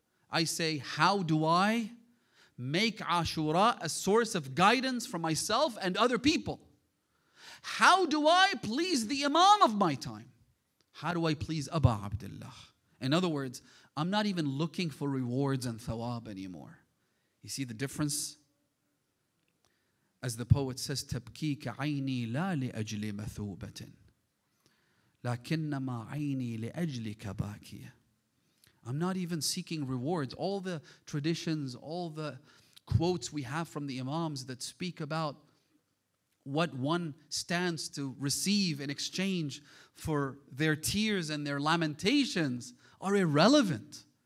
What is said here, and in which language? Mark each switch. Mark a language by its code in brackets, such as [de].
[en] I say, how do I make Ashura a source of guidance for myself and other people? How do I please the Imam of my time? How do I please Aba Abdullah? In other words, I'm not even looking for rewards and thawab anymore. You see the difference? [ar] As the poet says, تَبْكِيكَ عَيْنِي لَا لِأَجْلِ مَثُوبَةٍ لَكِنَّمَا عَيْنِي لِأَجْلِكَ بَاكِيَ. [en] I'm not even seeking rewards. All the traditions, all the quotes we have from the Imams that speak about what one stands to receive in exchange for their tears and their lamentations are irrelevant.